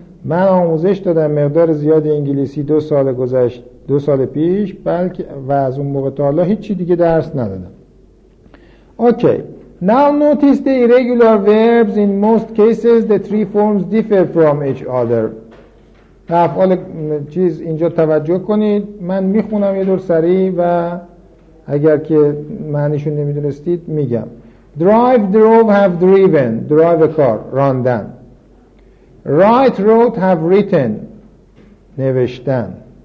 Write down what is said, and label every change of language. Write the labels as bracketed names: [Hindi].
[Persian] من آموزش دادم مقدار زیادی انگلیسی دو سال پیش بلکه و از اون موقع تا حالا هیچی دیگه درس ندادم. [English] Okay. Now notice the irregular verbs in most cases the three forms differ from each other. [Persian] افعال چیز اینجا توجه کنید. من میخونم یه دور سریع و اگر که معنیشون نمیدونستید میگم. [English] Drive, drove, have driven. Drive a car. [Persian] راندن. [English] Write, wrote, have written. [Persian] نوشتن.